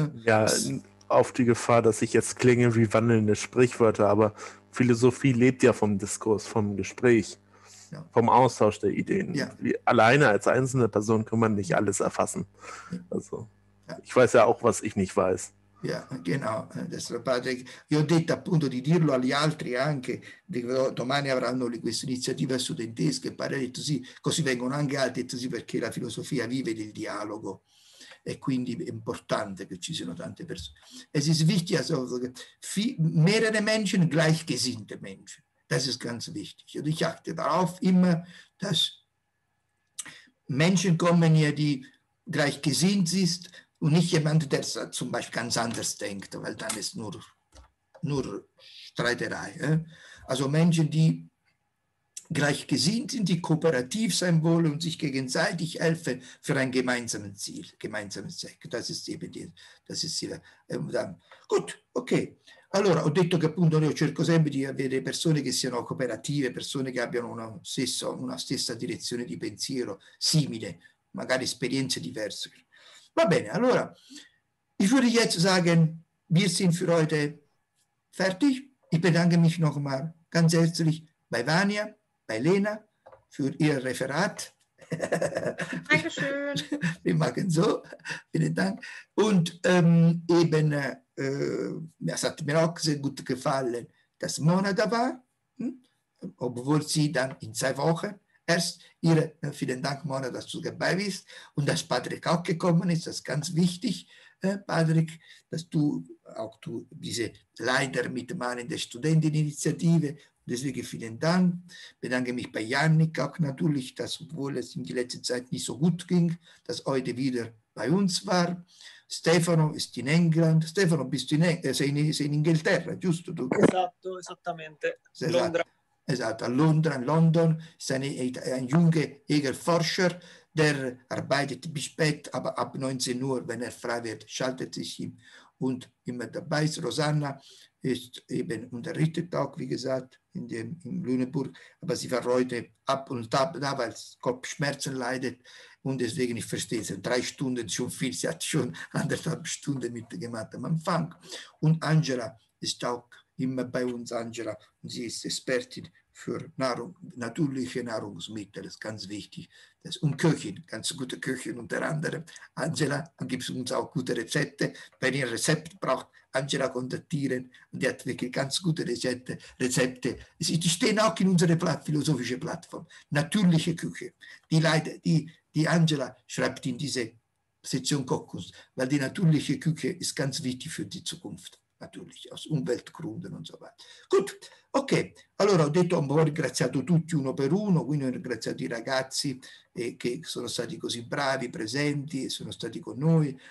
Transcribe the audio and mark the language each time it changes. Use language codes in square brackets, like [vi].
[de] Ja, auf die Gefahr, dass ich jetzt klinge wie wandelnde Sprichwörter, aber Philosophie lebt ja vom Diskurs, vom Gespräch, ja, vom Austausch der Ideen. Ja. Alleine als einzelne Person kann man nicht alles erfassen. Also, ja. Ich weiß ja auch, was ich nicht weiß. Ja, genau. [it] Patrick, io ho detto appunto di dirlo agli altri anche, domani avranno questa iniziativa studentesca e pare, detto sì, così vengono anche altri, detto sì, perché la filosofia vive del dialogo e quindi è importante che ci siano tante persone. [de] Es ist wichtig, also mehrere Menschen, gleichgesinnte Menschen. Das ist ganz wichtig. Und ich achte darauf immer, dass Menschen kommen hier, die gleichgesinnt sind, und nicht jemand, der zum Beispiel ganz anders denkt, weil dann ist nur Streiterei. also Menschen, die gleichgesinnt sind, die kooperativ sein wollen und sich gegenseitig helfen für ein gemeinsames Ziel, gemeinsames Zweck. Das ist eben die, das ist die, gut, okay. [it] Allora, ho detto che appunto io cerco sempre di avere persone che siano cooperative, persone che abbiano una stessa direzione di pensiero simile, magari esperienze diverse. Va bene, allora, [de] ich würde jetzt sagen, wir sind für heute fertig. Ich bedanke mich nochmal ganz herzlich bei Vania, bei Lena für ihr Referat. Dankeschön. Wir machen so, vielen Dank. Und eben, es hat mir auch sehr gut gefallen, dass Mona da war, obwohl sie dann in zwei Wochen erst ihre, vielen Dank Mona, dass du dabei bist und dass Patrick auch gekommen ist, das ist ganz wichtig, Patrick, dass du auch du diese Leiter mitmachen in der Studenteninitiative. Deswegen vielen Dank. Bedanke mich bei Jannik auch natürlich, dass, obwohl es in der letzten Zeit nicht so gut ging, dass heute wieder bei uns war. Stefano ist in England. [it] Stefano, [de] bist du [it] sei in Inghilterra, giusto? [de] Du? [it] Esatto, esattamente. Esatto. Londra. Esatto, a Londra, [de] in London. Ist ein junger Egelforscher, der arbeitet bis spät, aber ab 19 Uhr, wenn frei wird, schaltet sich ihm und immer dabei ist. Rosanna ist eben unterrichtet auch, wie gesagt, in Lüneburg, aber sie war heute ab und ab da, weil Kopfschmerzen leidet und deswegen, ich verstehe es, 3 Stunden ist schon viel, sie hat schon 1,5 Stunden mitgemacht am Anfang. Und Angela ist auch immer bei uns, Angela, und sie ist Expertin für natürliche Nahrungsmittel, das ist ganz wichtig. Das, und Köchin, ganz gute Köchin unter anderem. Angela gibt uns auch gute Rezepte, wenn ihr Rezept braucht, Angela kontaktieren, und die hat wirklich ganz gute Rezepte. Sie stehen auch in unserer philosophischen Plattform. Natürliche Küche. Die Angela schreibt in diese Sektion Kokos, weil die natürliche Küche ist ganz wichtig für die Zukunft. Natürlich, aus Umweltgründen und so weiter. Gut, okay. [it] Allora, ho detto, ho ringraziato tutti uno per uno, quindi ho ringraziato i ragazzi che sono stati così bravi, presenti, e sono stati con noi.